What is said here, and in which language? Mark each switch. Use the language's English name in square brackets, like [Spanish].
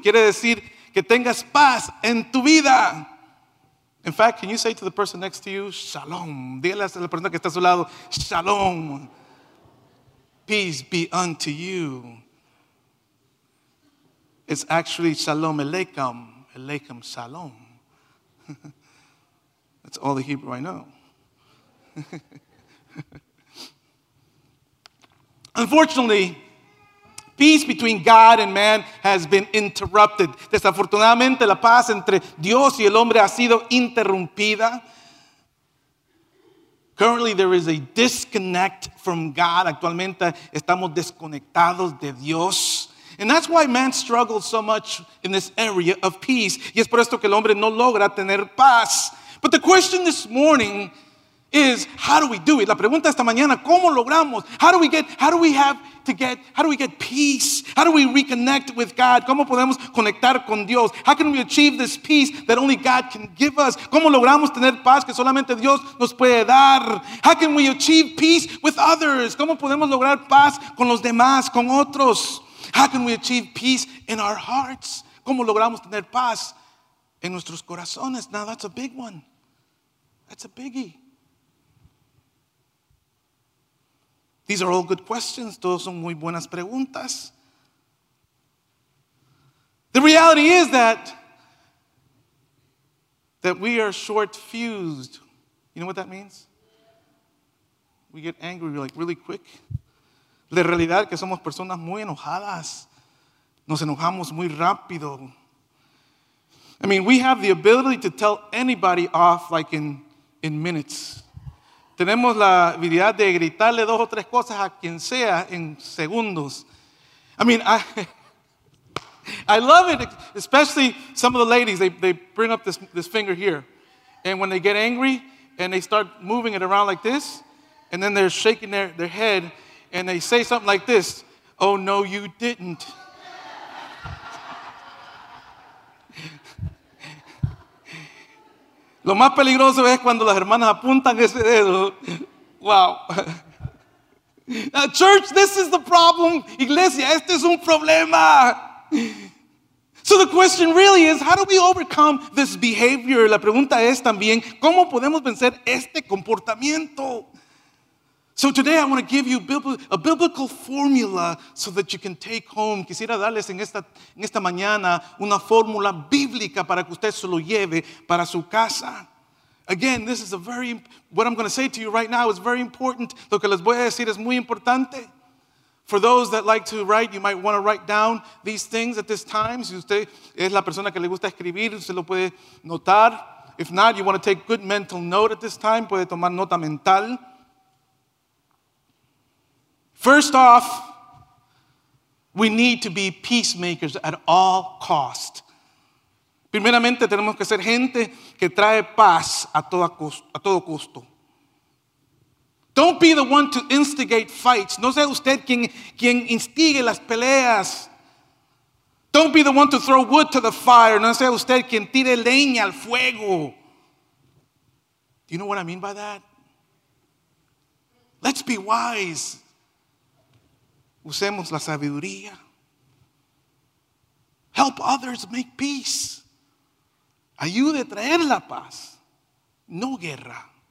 [Spanish] Quiere decir que tengas paz en tu vida. [English] In fact, can you say to the person next to you, shalom? [Spanish] Dígale a la persona que está a su lado, shalom. [English] Peace be unto you. It's actually [Hebrew] shalom aleichem. Aleichem shalom. [English] That's all the Hebrew I know. Unfortunately, peace between God and man has been interrupted. [Spanish] Desafortunadamente, la paz entre Dios y el hombre ha sido interrumpida. [English] Currently, there is a disconnect from God. [Spanish] Actualmente, estamos desconectados de Dios. [English] And that's why man struggles so much in this area of peace. [Spanish] Y es por esto que el hombre no logra tener paz. [English] But the question this morning is, how do we do it? [Spanish] La pregunta esta mañana, ¿cómo logramos? [English] How do we get peace? How do we reconnect with God? [Spanish] ¿Cómo podemos conectar con Dios? [English] How can we achieve this peace that only God can give us? [Spanish] ¿Cómo logramos tener paz que solamente Dios nos puede dar? [English] How can we achieve peace with others? [Spanish] ¿Cómo podemos lograr paz con los demás, con otros? [English] How can we achieve peace in our hearts? [Spanish] ¿Cómo logramos tener paz en nuestros corazones? [English] Now that's a big one. That's a biggie. These are all good questions. [Spanish] Todos son muy buenas preguntas. [English] The reality is that we are short-fused. You know what that means? We get angry like really quick. [Spanish] La realidad es que somos personas muy enojadas. Nos enojamos muy rápido. [English] I mean, we have the ability to tell anybody off like in minutes. [Spanish] Tenemos la habilidad de gritarle dos o tres cosas a quien sea en segundos. [English] I mean, I love it, especially some of the ladies, they bring up this finger here. And when they get angry and they start moving it around like this, and then they're shaking their head and they say something like this, "Oh no, you didn't." [Spanish] Lo más peligroso es cuando las hermanas apuntan ese dedo. [English] Wow. Now, church, this is the problem. [Spanish] Iglesia, este es un problema. [English] So the question really is, how do we overcome this behavior? [Spanish] La pregunta es también, ¿cómo podemos vencer este comportamiento? [English] So today I want to give you a biblical formula so that you can take home. [Spanish] Quisiera darles en esta mañana una fórmula bíblica para que usted se lo lleve para su casa. [English] Again, this is what I'm going to say to you right now is very important. [Spanish] Lo que les voy a decir es muy importante. [English] For those that like to write, you might want to write down these things at this time. [Spanish] Si usted es la persona que le gusta escribir, usted lo puede notar. [English] If not, you want to take good mental note at this time. [Spanish] Puede tomar nota mental. [English] First off, we need to be peacemakers at all cost. [Spanish] Primeramente, tenemos que ser gente que trae paz a todo costo. [English] Don't be the one to instigate fights. [Spanish] No sea usted quien instigue las peleas. [English] Don't be the one to throw wood to the fire. [Spanish] No sea usted quien tire leña al fuego. [English] Do you know what I mean by that? Let's be wise. [Spanish] Usemos la sabiduría. [English] Help others make peace. [Spanish] Ayude a traer la paz. No guerra.